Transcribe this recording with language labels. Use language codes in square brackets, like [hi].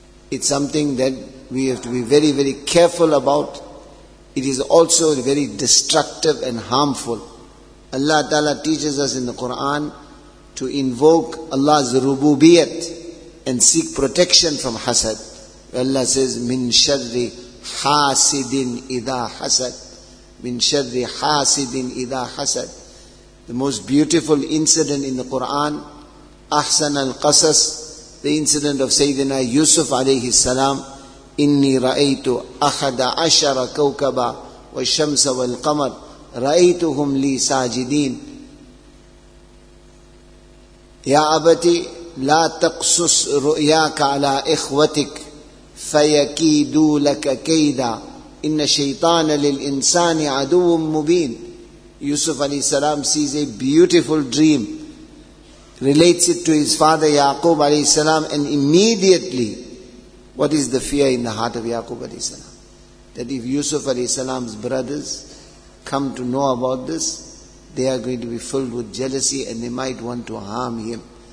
[en] It's something that we have to be very, very careful about. It is also very destructive and harmful. Allah Ta'ala teaches us in the Quran to invoke Allah's rububiyat and seek protection from hasad. Allah says, [ar] مِن شَرِّ حَاسِدٍ إِذَا حَسَدٍ. Min sharri hasidin idha hasad. [en] The most beautiful incident in the Quran, Ahsan al-Qasas, the incident of Sayyidina Yusuf alayhi salam, [ar] إني رأيت أحد عشر كوكبا والشمس والقمر رأيتهم لي ساجدين. يا أبتي لا تقصص رؤياك على إخوتك فيكيدوا لك كيدا إن الشيطان للإنسان عدو مبين. [en] Yusuf alayhi salam sees a beautiful dream, relates it to his father Yaqub alayhi salam, and immediately, what is the fear in the heart of Yaqub alayhi salam? That if Yusuf alayhi salam's brothers come to know about this, they are going to be filled with jealousy and they might want to harm him.